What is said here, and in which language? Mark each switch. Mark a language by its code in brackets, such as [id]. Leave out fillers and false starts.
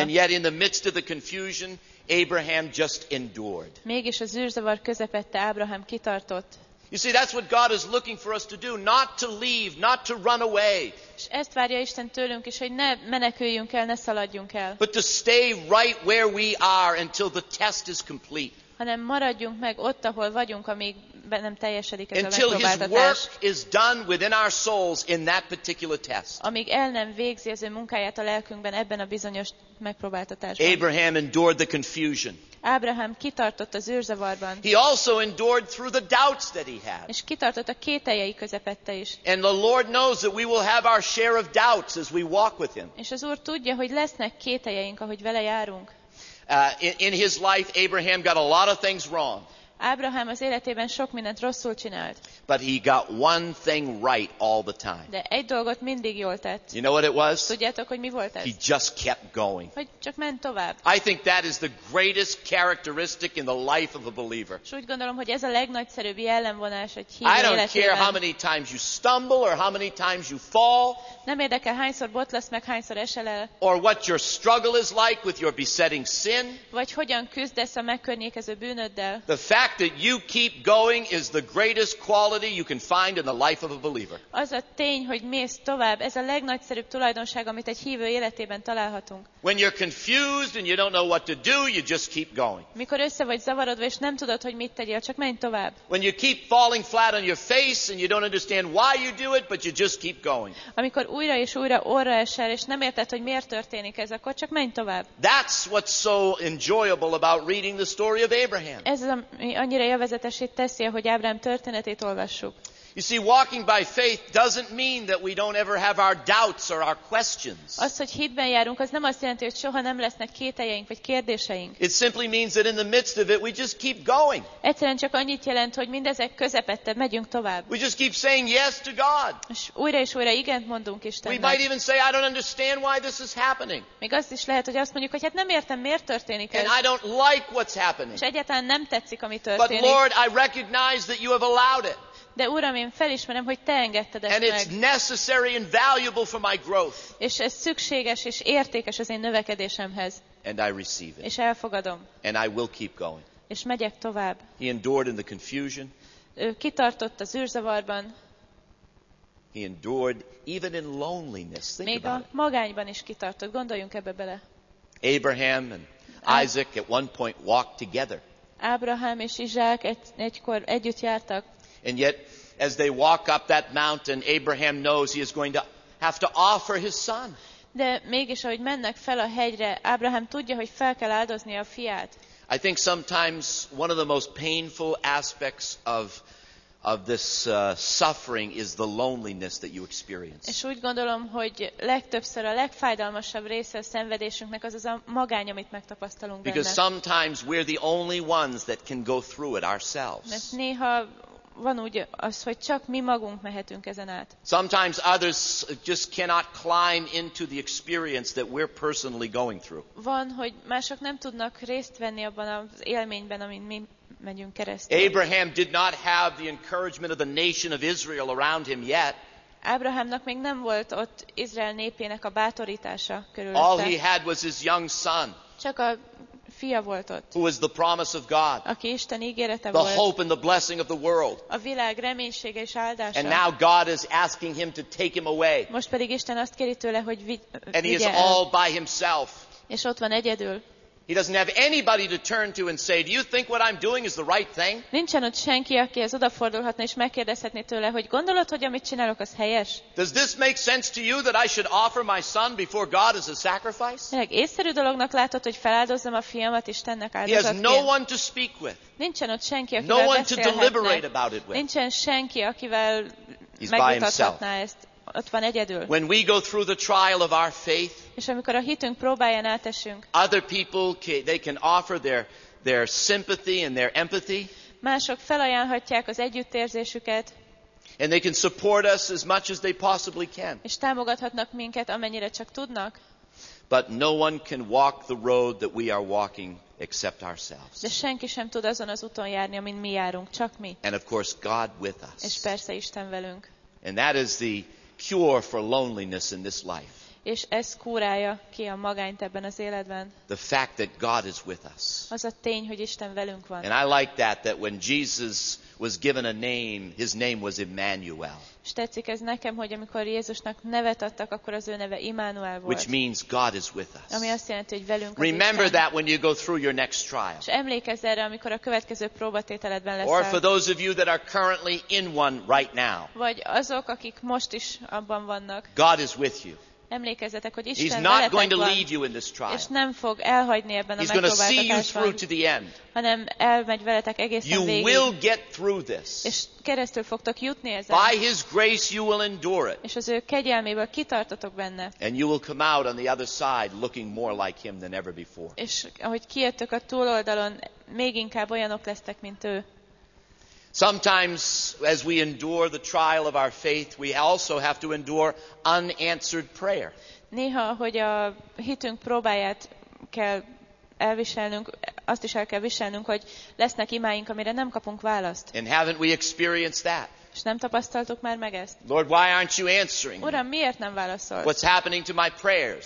[en] And yet in the midst of the confusion, Abraham just endured. [hu] Mégis a zűrzavar közepette Ábrahám kitartott. [en] You see, that's what God is looking for us to do, not to leave, not to run away. [hu] És ezt várja Isten tőlünk is, hogy ne meneküljünk el, ne szaladjunk el. [en] But to stay right where we are until the test is complete. [hu] Hanem maradjunk meg ott, ahol vagyunk, amíg be nem teljesedik ez [en] until [hu] a megpróbáltatás. [en] His work is done within our souls in that particular test. [hu] Amíg el nem végzi az ő munkáját a lelkünkben ebben a bizonyos megpróbáltatásban. [en] Abraham endured the confusion. [hu] Ábrahám kitartott az űrzavarban. [en] He also endured through the doubts that he had. [hu] És kitartott a kételjei közepette is. [en] And the Lord knows that we will have our share of doubts as we walk with him. [hu] És az Úr tudja, hogy lesznek kételjeink, ahogy vele járunk. [en] In his life, Abraham got a lot of things wrong. [hu] Ábrahám az életében sok mindent rosszul csinált. [en] But he got one thing right all the time. [hu] De egy dolgot mindig jól tett. [en] You know what it was? [hu] Tudjátok, hogy mi volt ez? [en] He just kept going. [hu] Hogy csak ment tovább. [en] I think that is the greatest characteristic in the life of a believer. [hu] És úgy gondolom, hogy ez a legnagyszerűbb jellemvonás egy hívő életében. [en] I don't care how many times you stumble or how many times you fall. [hu] Nem érdekel, hányszor botlasz meg, hányszor esel el. [en] Or what your struggle is like with your besetting sin. [hu] Vagy hogyan küzdesz a megkörnyékező bűnöddel. [en] The fact that you keep going is the greatest quality you can find in the life of a believer. [hu] Az a tény, hogy mész tovább, ez a legnagyszerűbb tulajdonság, amit egy hívő életében találhatunk. [en] When you're confused and you don't know what to do, you just keep going. [hu] Mikor össze vagy zavarodva és nem tudod, hogy mit tegyél, csak menj tovább. [en] When you keep falling flat on your face and you don't understand why you do it, but you just keep going. [hu] Amikor újra és újra orra esel és nem érted, hogy miért történik ez, akkor csak menj tovább. [en] That's what's so enjoyable about reading the story of Abraham. [hu] Mi annyira élvezetessé teszi, hogy Ábrám történetét olvassuk. [en] You see, walking by faith doesn't mean that we don't ever have our doubts or our questions. [hu] Az, hogy hitben járunk, az nem azt jelenti, hogy soha nem lesznek kételjeink vagy kérdéseink. [en] It simply means that in the midst of it we just keep going. [hu] Egyszerűen csak annyit jelent, hogy mindezek közepette megyünk tovább. [en] We just keep saying yes to God. [hu] És újra és újra igent mondunk Istennek. [en] We might even say I don't understand why this is happening. [hu] Még azt is lehet, hogy azt mondjuk, hogy hát nem értem, miért történik ez. [en] And I don't like what's happening. [hu] És egyáltalán nem tetszik, ami történik. [en] But Lord, I recognize that you have allowed it. [hu] De Uram, én felismerem, hogy te engedted ezt [en] and [hu] meg. [en] It's necessary and valuable for my growth. [hu] És ez szükséges és értékes az én növekedésemhez. [en] And I receive it. [hu] És elfogadom. [en] And I will keep going. [hu] És megyek tovább. [en] He endured in the confusion. [hu] Ő kitartott az űrzavarban. [en] He endured even in loneliness. Think [hu] még [en] about [hu] a magányban is kitartott. Gondoljunk ebbe bele. [en] Abraham and Isaac at one point walked together. [hu] Ábrahám és Izsák egykor együtt jártak. [en] And yet, as they walk up that mountain, Abraham knows he is going to have to offer his son. [hu] De mégis, ahogy mennek fel a hegyre, Ábrahám tudja, hogy fel kell áldozni a fiát. [en] I think sometimes one of the most painful aspects of this suffering is the loneliness that you experience. [hu] És úgy gondolom, hogy legtöbbször a legfájdalmasabb része a szenvedésünknek az a magány, amit megtapasztalunk benne. [en] Because sometimes we're the only ones that can go through it ourselves. [hu] Mert néha van úgy az, hogy csak mi magunk mehetünk ezen át. [en] Sometimes others just cannot climb into the experience that we're personally going through. [hu] Van, hogy mások nem tudnak részt venni abban az élményben, amin mi megyünk keresztül. [en] Abraham did not have the encouragement of the nation of Israel around him yet. [hu] Ábrahámnak még nem volt ott Izrael népének a bátorítása körülötte. [en] All he had was his young son. [hu] Csak a fia volt ott. [en] Who is the promise of God? [hu] Aki Isten ígérete volt. [en] The hope and the blessing of the world. [hu] A világ reménysége és áldása. [en] And now God is asking him to take him away. [hu] Most pedig Isten azt kéri tőle, hogy vigye el. [en] And he is all by himself. [hu] És ott van egyedül. [en] He doesn't have anybody to turn to and say, "Do you think what I'm doing is the right thing?" [hu] Nincsen ott senki, aki ez odafordulhatna és megkérdezhetné tőle, hogy gondolod, hogy amit csinálok, az helyes? [en] Does this make sense to you that I should offer my son before God as a sacrifice? [hu] Meg észszerű dolognak látod, hogy feláldozzam a fiamat Istennek áldozatként? [en] He has no one to speak with. [hu] Nincsen ott senki, akivel beszélhetne. [en] No one to deliberate about it with. [hu] Nincsen senki, akivel megvitathatná ezt. Ott van egyedül. [en] When we go through the trial of our faith, [hu] és amikor a hitünk próbáján átesünk, [en] other people they can offer their sympathy and their empathy. [hu] Mások felajánlhatják az együttérzésüket. [en] And they can support us as much as they possibly can. [hu] És támogathatnak minket, amennyire csak tudnak. [en] But no one can walk the road that we are walking except ourselves. [hu] De senki sem tud azon az úton járni, amin mi járunk, csak mi. [en] And of course God with us. [hu] És persze Isten velünk. [en] And that is the cure for loneliness in this life. [hu] És ez kúrája ki a magányt ebben az életben. [en] The fact that God is with us. [hu] Az a tény, hogy Isten velünk van. [en] And I like that when Jesus was given a name, his name was Emmanuel. [hu] És tetszik ez nekem, hogy amikor Jézusnak nevet adtak, akkor az ő neve Immanuel volt. [en] Which means God is with us. [hu] Ami azt jelenti, hogy velünk van. [en] Remember that when you go through your next trial. [hu] És emlékezz erre, amikor a következő próbatételedben leszel. [en] Or for those of you that are currently in one right now. [hu] Vagy azok, akik most is abban vannak. [en] God is with you. [hu] emlékezzetek, hogy Isten veletek van, [en] leave you in this trial. [hu] És nem fog elhagyni ebben a megpróbáltatásban, hanem elmegy veletek egészen [en] you [hu] végig. [en] Will get through this. [hu] És keresztül fogtok jutni ezen. [en] By his grace you will endure it. [hu] És az ő kegyelméből kitartotok benne. [en] And you will come out on the other side looking more like him than ever before. [hu] És ahogy kijöttök a túloldalon, még inkább olyanok lesztek, mint ő. [en] Sometimes as we endure the trial of our faith, we also have to endure unanswered prayer. [hu] Néha, hogy a hitünk próbáját kell elviselnünk, azt is el kell viselnünk, hogy lesznek imáink, amire nem kapunk választ. [en] And haven't we experienced that? [hu] És nem tapasztaltuk már meg ezt? [en] Lord, why aren't you answering? [hu] Uram, miért nem válaszolsz? [en] What's happening to my prayers?